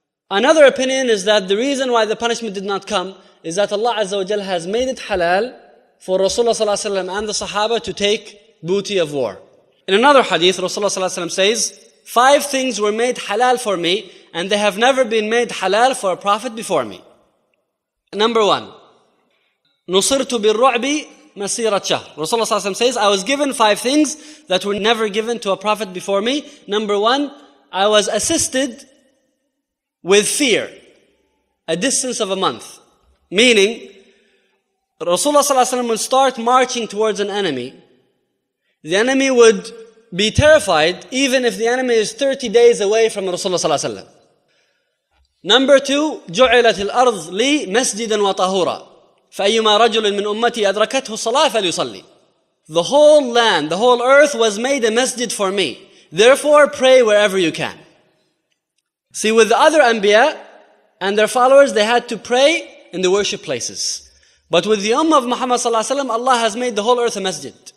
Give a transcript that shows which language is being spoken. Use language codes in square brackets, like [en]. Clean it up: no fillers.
[en] Another opinion is that the reason why the punishment did not come is that Allah Azza wa Jal has made it halal for Rasulullah Sallallahu Alaihi Wasallam and the Sahaba to take booty of war. In another hadith, Rasulullah Sallallahu Alaihi Wasallam says, 5 things were made halal for me, and they have never been made halal for a prophet before me. Number 1, [ar] نصرت بالرعب مسيرة شهر. [en] Rasulullah Sallallahu Alaihi Wasallam says, I was given 5 things that were never given to a prophet before me. Number 1, I was assisted with fear, a distance of a month. Meaning, Rasulullah Sallallahu Alaihi Wasallam would start marching towards an enemy. The enemy would be terrified, even if the enemy is 30 days away from Rasulullah Sallallahu Alaihi Wasallam. Number 2, [ar] جعلت الأرض لي مسجدا وطهورا فأيما رجل من أمتي أدركته الصلاة فليصلي. [en] The whole land, the whole earth was made a masjid for me. Therefore, pray wherever you can. See, with the other Anbiya and their followers, they had to pray in the worship places. But with the Ummah of Muhammad صلى الله عليه وسلم, Allah has made the whole earth a masjid.